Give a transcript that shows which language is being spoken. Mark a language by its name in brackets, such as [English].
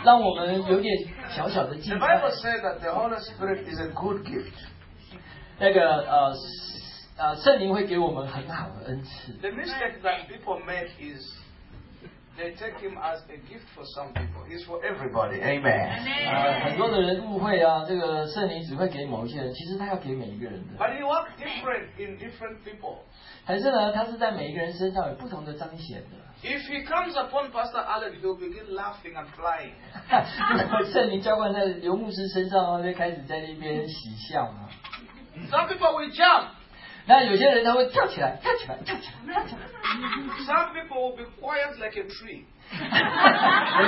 [Chinese] 圣灵在我们当中啊，让我们有点小小的敬拜。 [English] The Bible says that the Holy Spirit is a good gift. [Chinese] 圣灵会给我们很好的恩赐。 [English] The mistake that people make is they take him as a gift for some people. He's for everybody. Amen. [Chinese] 很多的人误会啊，这个圣灵只会给某一些人，其实他要给每一个人的。 [English] But he works different in different people. [Chinese] 还是呢，他是在每一个人身上有不同的彰显的。 [English] If he comes upon Pastor Allen, he'll begin laughing and crying. [Chinese] 圣灵浇灌在刘牧师身上，就开始在那边喜笑啊。 [English] Some people will jump. [Chinese] 那有些人他会跳起来。 [English] Some people will be quiet like a tree.